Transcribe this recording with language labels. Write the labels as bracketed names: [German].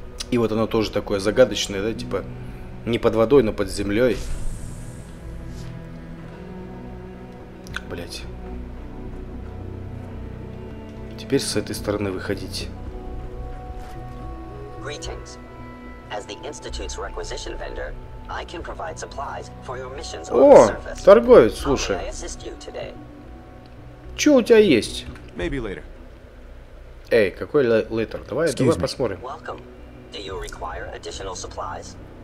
[Russian] И вот оно тоже такое загадочное, да, типа не под водой, но под землей. Блять. Теперь с этой стороны выходить. [English] Greetings. As the Institute's requisition vendor, I can provide supplies for your missions on the surface. [Russian] О, торговец, слушай. [English] How may I assist you today? [Russian] Чё у тебя есть? [English] Maybe later. [Russian] Эй, какой [English] later? [Russian] Давай, [English] excuse [Russian] давай [English] me. [Russian] Посмотрим. [English] Welcome. Do you require additional supplies?